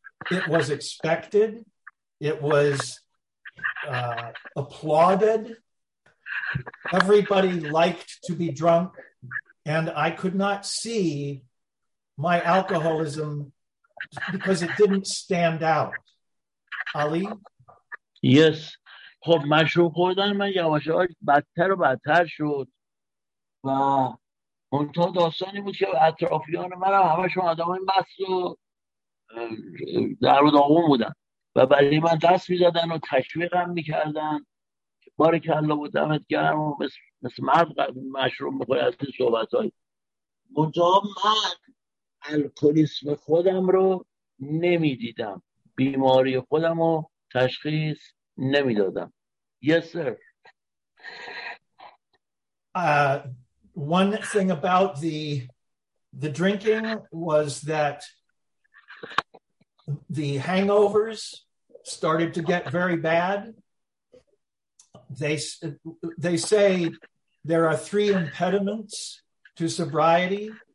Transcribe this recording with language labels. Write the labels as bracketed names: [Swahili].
[English] It was expected. It was applauded. Everybody liked to be drunk, and I could not see my alcoholism because it didn't stand out. Ali? Yes. [Persian] خب مشروب خوردن من یواش یواش بدتر و بدتر شد و منتها داستانی بود که اطرافیان من هم همشون آدم های مست و درو داغون بودن و برای من دست می زدن و تشویقم می کردن بارکلا و دمت گرم و مثل مرد مشروب می خورد از این صحبت های منتها من الکلیسم خودم رو نمی دیدم، بیماری خودم رو تشخیص نمی دادم. [English] Yes, sir. One thing about the drinking was that the hangovers started to get very bad. They say there are three impediments to sobriety.